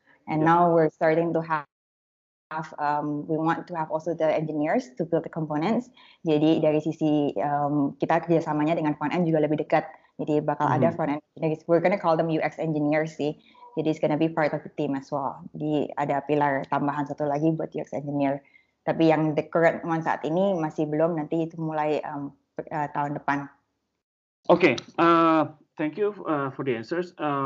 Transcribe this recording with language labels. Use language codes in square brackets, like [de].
[en] Now we're starting to have we want to have also the engineers to build the components. [id] Jadi dari sisi kita kerjasamanya dengan front end juga lebih dekat. Jadi bakal ada front end engineers. [en] We're gonna call them UX engineers [id] sih. Jadi [en] it's gonna be part of the team as well. [id] Jadi ada pilar tambahan satu lagi buat UX engineer. Tapi yang [en] the current one [id] saat ini masih belum. Nanti itu mulai tahun depan. [en] Okay, thank you for the answers.